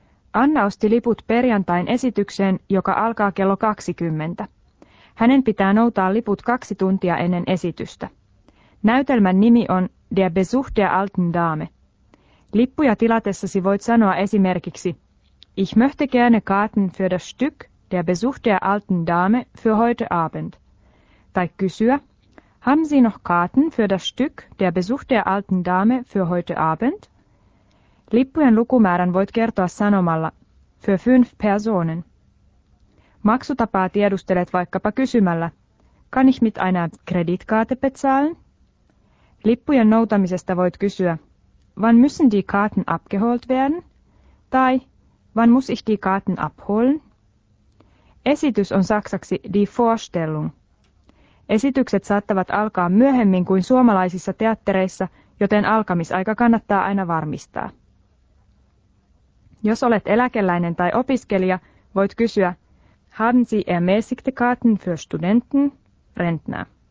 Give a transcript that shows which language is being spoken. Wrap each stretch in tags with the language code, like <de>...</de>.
<fi>Anna osti liput perjantain esitykseen, joka alkaa kello 20. Hänen pitää noutaa liput 2 tuntia ennen esitystä. Näytelmän nimi on Der Besuch der alten Dame. Lippuja tilatessasi voit sanoa esimerkiksi</fi> <de>Ich möchte gerne Karten für das Stück Der Besuch der alten Dame für heute Abend.</de> <fi>Tai kysyä,</fi> <de>haben Sie noch Karten für das Stück Der Besuch der alten Dame für heute Abend?</de> <fi>Lippujen lukumäärän voit kertoa sanomalla</fi> <de>Für 5 Personen.</de> <fi>Maksutapaa tiedustelet vaikkapa kysymällä</fi> <de>Kann ich mit einer Kreditkarte bezahlen?</de> <fi>Lippujen noutamisesta voit kysyä</fi> <de>Wann müssen die Karten abgeholt werden?</de> <fi>Tai</fi> <de>Wann muss ich die Karten abholen?</de> <fi>Esitys on saksaksi die Vorstellung. Esitykset saattavat alkaa myöhemmin kuin suomalaisissa teattereissa, joten alkamisaika kannattaa aina varmistaa. Jos olet eläkeläinen tai opiskelija, voit kysyä</fi> <de>Haben Sie ermäßigte Karten für Studenten, Rentner?</de>